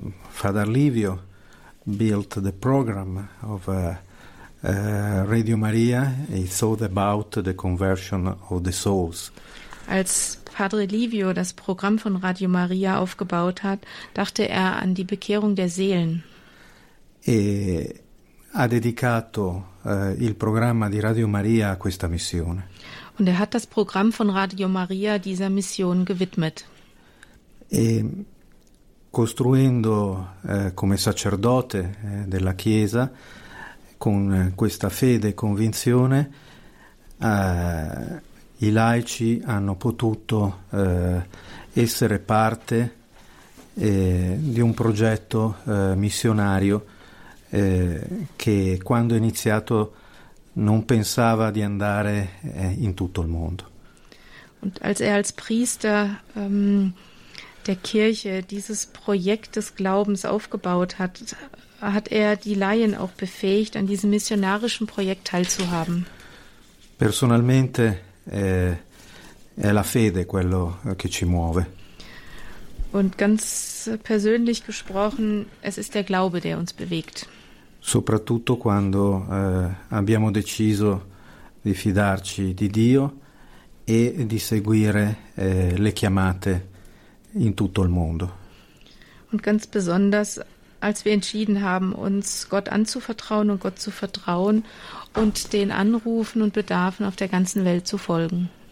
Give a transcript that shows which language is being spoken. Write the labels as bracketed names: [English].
[English] Father Livio built the program of Radio Maria, he thought about the conversion of the souls. [German] Als Padre Livio das Programm von Radio Maria aufgebaut hat, dachte er an die Bekehrung der Seelen. [Italian] Ha dedicato il programma di Radio Maria a questa missione. [German] Und er hat das Programm von Radio Maria dieser Mission gewidmet. [Italian] Costruendo come sacerdote della Chiesa con questa fede e convinzione, i laici hanno potuto essere parte di un progetto missionario che quando è iniziato non pensava di andare in tutto il mondo. [German] Und als er als Priester der Kirche dieses Projekt des Glaubens aufgebaut hat, hat er die Laien auch befähigt, an diesem missionarischen Projekt teilzuhaben. [Italian] Personalmente è la fede quello che ci muove. [German] Und ganz persönlich gesprochen, es ist der Glaube, der uns bewegt. [Italian] Soprattutto quando abbiamo deciso di fidarci di Dio e di seguire le chiamate in tutto il mondo. [German] Und ganz besonders, als wir entschieden haben, uns Gott anzuvertrauen und Gott zu vertrauen und den Anrufen und Bedarfen auf der ganzen Welt zu folgen.